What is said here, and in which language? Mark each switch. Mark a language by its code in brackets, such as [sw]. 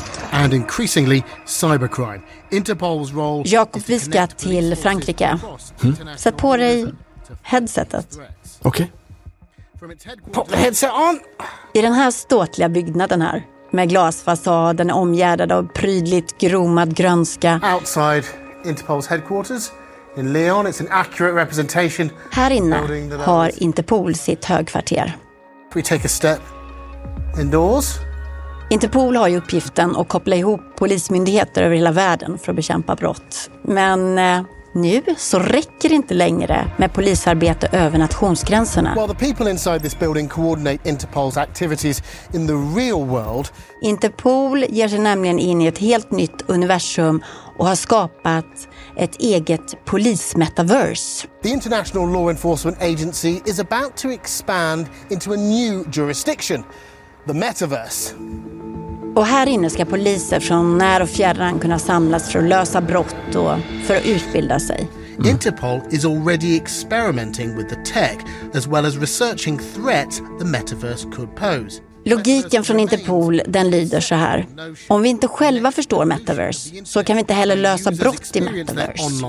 [en] And increasingly cybercrime. Interpol's role. [sv] Jakob, vi ska till Frankrike. Sätt på dig headsetet. Okej. [en] Okay. Headset on. [sv] I den här ståtliga byggnaden här, med glasfasaden omgärdad av prydligt gromad grönska. [en] Outside Interpol's headquarters in Lyon, it's an accurate representation. [sv] Här inne har Interpol sitt högkvarter. [en] We take a step indoors. [sv] Interpol har ju uppgiften att koppla ihop polismyndigheter över hela världen för att bekämpa brott. Men nu så räcker det inte längre med polisarbete över nationsgränserna. [en] While the people inside this building coordinate Interpol's activities in the real world. [sv] Interpol ger sig nämligen in i ett helt nytt universum och har skapat ett eget polismetaverse. [en] The International Law Enforcement Agency is about to expand into a new jurisdiction. The metaverse. [sv] Och här inne ska poliser från när och fjärran kunna samlas för att lösa brott och för att utbilda sig. [en] Interpol is already experimenting with the tech as well as researching threats the metaverse could pose. [sv] Logiken från Interpol, den lyder så här. Om vi inte själva förstår Metaverse så kan vi inte heller lösa brott i Metaverse.